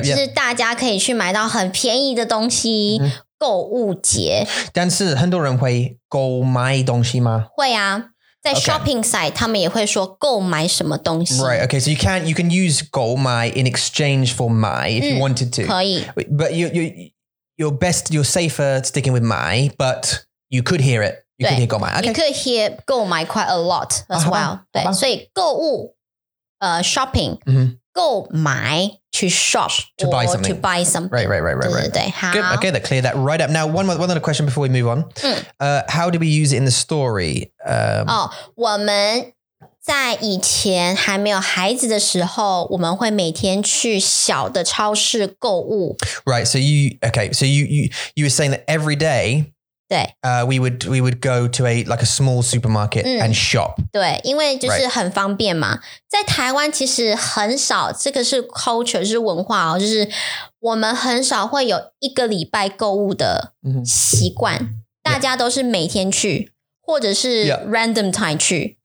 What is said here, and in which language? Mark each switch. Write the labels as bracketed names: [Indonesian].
[Chinese] 就是大家可以去买到很便宜的东西。 Mm-hmm. 购物节，但是很多人会购买东西吗？会啊，在 shopping site 他们也会说购买什么东西。 [English] Right, okay, so you can use 购买 in exchange for 买 if you wanted to. [Chinese] 可以。 [English] But you're safer sticking with 买, but you could hear it. You could hear 购买. Okay. You could hear 购买 quite a lot as well. [Chinese] 对，所以购物shopping. Mm-hmm. [English] 购买 to shop to buy something. To buy something. Right. [Chinese] 对对对 [English] Good. Okay, that cleared that right up. Now, one other question before we move on.、How do we use it in the story? [Chinese] 我们在以前还没有孩子的时候，我们会每天去小的超市购物。 [English] Right. So you were saying that every day. [Chinese] 对。 [English] We would go to a small supermarket、and shop. [Chinese] 对，因为就是很方便嘛。 [English] Right. [Chinese] 在台湾其实很少，这个是 culture 是文化哦，就是我们很少会有一个礼拜购物的习惯、大家都是每天去，或者是 [English] random time [Chinese] 去。